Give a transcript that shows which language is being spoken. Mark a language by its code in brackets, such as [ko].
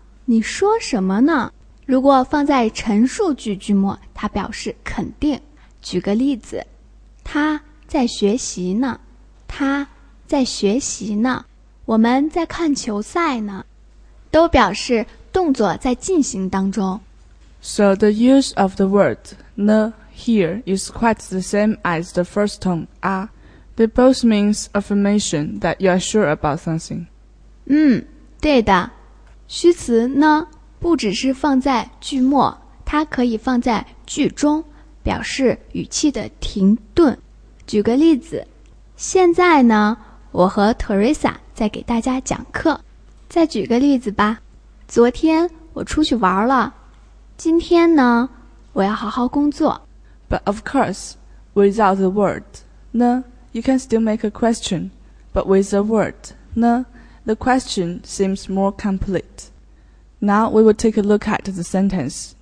[zh] 你说什么呢？如果放在陈述句句末，它表示肯定。举个例子，他在学习呢。他在学习呢。我们在看球赛呢。都表示动作在进行当中。 [en] So the use of the word "ne" here is quite the same as the first tone "a." They both means affirmation that you are sure about something. [zh] 嗯，对的。虚词呢，不只是放在句末，它可以放在句中，表示语气的停顿。举个例子，现在呢，我和 Teresa 在给大家讲课。再举个例子吧，昨天我出去玩了。今天呢，我要好好工作。 [en] But of course, without the word, no, you can still make a question. But with the word, no, the question seems more complete. Now we will take a look at the sentence.